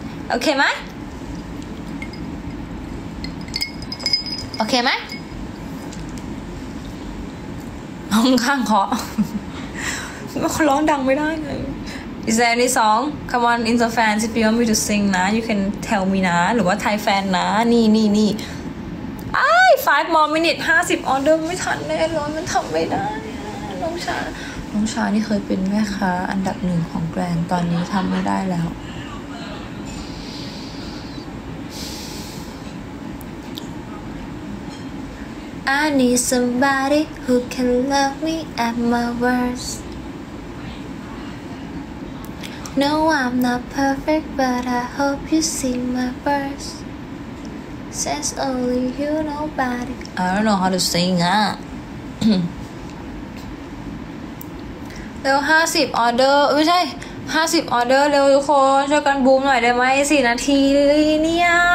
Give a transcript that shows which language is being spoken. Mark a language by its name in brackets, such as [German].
[Thai] โอเคไหมโอเคไหมห้องข้างเคาะร้องดังไม่ได้ไง [English] Is there any song? Come on, in the fans, if you want me to sing, nah, you can tell me, nah. [Thai] หรือว่า [English] Thai fan, nah. [Thai] นี่นี่นี่ไอ้ [English] 5 more minute 50 order [Thai] ไม่ทันแน่เลยมันทำไม่ได้น้องชาน้องชานี่เคยเป็นแม่ค้าอันดับหนึ่งของแกรนด์ตอนนี้ทำไม่ได้แล้ว [English] I need somebody who can love me at my worst. No, I'm not perfect, but I hope you see my verse. Says only you, nobody. I don't know how to sing, [Thai] เร็ว50 order ไม่ใช่50 order เร็วทุกคนช่วยกันบูมหน่อยได้ไหม4นาทีเนี่ย